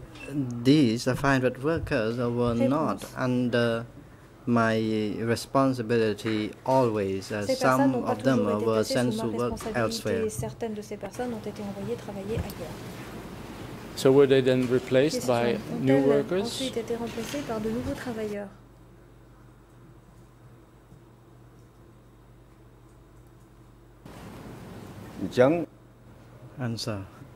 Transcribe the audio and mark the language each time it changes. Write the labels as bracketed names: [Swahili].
[English] These 500 workers were not under my responsibility always, as some of them were sent to work elsewhere. [French] Certaines de ces personnes ont été envoyées travailler ailleurs. [English] So were they then replaced by new workers? [French] Ensuite été remplacés par de nouveaux travailleurs. [English] Answer.